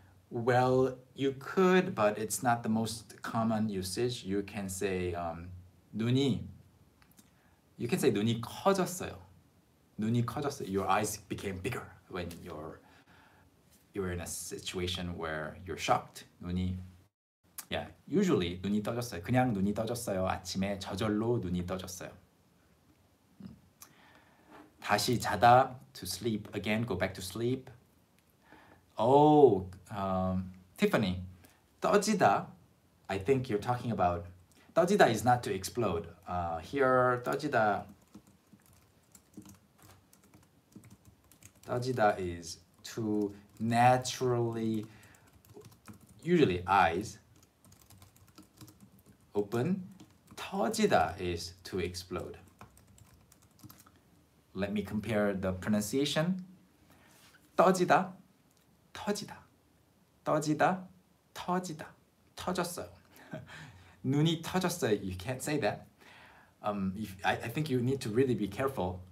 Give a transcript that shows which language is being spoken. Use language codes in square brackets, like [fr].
[en] Well, you could, but it's not the most common usage. You can say 눈이. You can say [ko] 눈이 커졌어요. 눈이 커졌어요. [en] Your eyes became bigger when you're in a situation where you're shocked. [ko] 눈이. [en] Yeah, usually [ko] 눈이 떠졌어요. 그냥 눈이 떠졌어요. 아침에 저절로 눈이 떠졌어요. 다시 자다, [en] to sleep again, go back to sleep. Oh, Tiffany, 떠지다, I think you're talking about, 떠지다 is not to explode. Here, 떠지다 is to naturally, usually eyes open, 터지다 is to explode. Let me compare the pronunciation. [ko] 떠지다, 터지다, 떠지다, 터지다, 터졌어요. 눈이 터졌어요. [en] You can't say that. I think you need to really be careful.